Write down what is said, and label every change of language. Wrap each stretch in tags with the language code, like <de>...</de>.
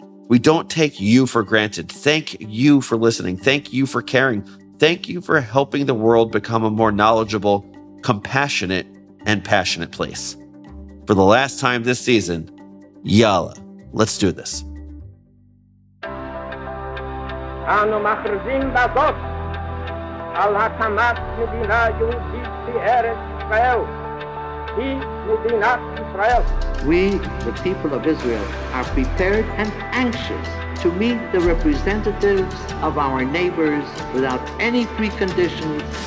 <en>We don't take you for granted. Thank you for listening. Thank you for caring. Thank you for helping the world become a more knowledgeable, compassionate, and passionate place. For the last time this season, yalla, let's do this.</en> <he>על הקמת מדינה יהודית בארץ ישראל, היא מדינת ישראל.</he> <en>We, the people of Israel, are prepared and anxious to meet the representatives of our neighbors without any preconditions.</en>